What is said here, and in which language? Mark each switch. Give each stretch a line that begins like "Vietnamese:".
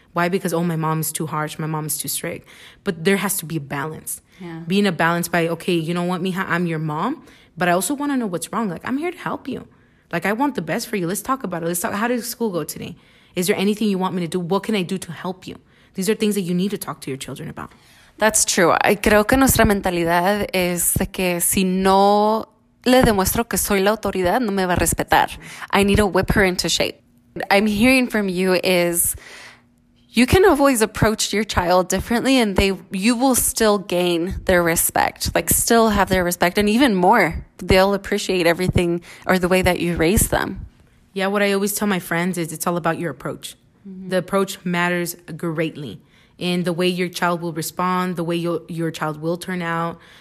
English: Why? Because, oh, my mom is too harsh. My mom is too strict. But there has to be a balance. Yeah. Being a balance by, okay, you know what, mija, I'm your mom, but I also want to know what's wrong. Like, I'm here to help you. Like, I want the best for you. Let's talk about it. Let's talk, how did school go today? Is there anything you want me to do? What can I do to help you? These are things that you need to talk to your children about. That's true. I
Spanish: creo que nuestra mentalidad es de que si no le demuestro que soy la autoridad, no me va a respetar.
English: I need to whip her into shape. What I'm hearing from you is you can always approach your child differently and you will still gain their respect, like still have their respect. And even more, they'll appreciate everything or the way that you raise them. Yeah, what I always tell my friends is it's all about your approach. Mm-hmm. The approach matters greatly in the way your child will respond, the way your child will turn out.